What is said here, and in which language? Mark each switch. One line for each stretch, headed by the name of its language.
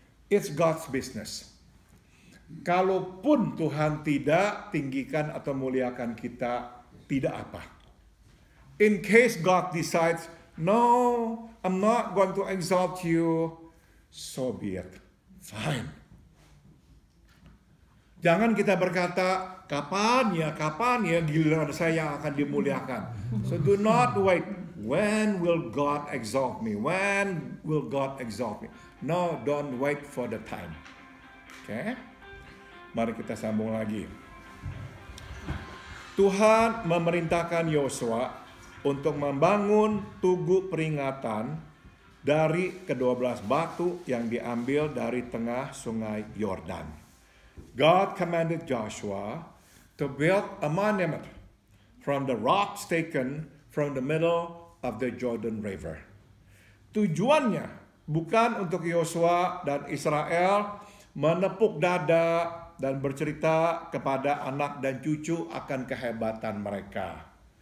English: It's God's business.
Indonesian: Kalaupun Tuhan tidak tinggikan atau muliakan kita, tidak apa.
English: In case God decides, no, I'm not going to exalt you, so be it. Fine.
Indonesian: Jangan kita berkata, kapan ya giliran saya yang akan dimuliakan.
English: So do not wait. When will God exalt me? When will God exalt me? No, don't wait for the time. Okay?
Indonesian: Mari kita sambung lagi. Tuhan memerintahkan Yosua untuk membangun tugu peringatan dari ke-12 batu yang diambil dari tengah sungai Yordan.
English: God commanded Joshua to build a monument from the rocks taken from the middle of the Jordan River.
Indonesian: Tujuannya bukan untuk Yosua dan Israel menepuk dada dan bercerita kepada anak dan cucu akan kehebatan mereka.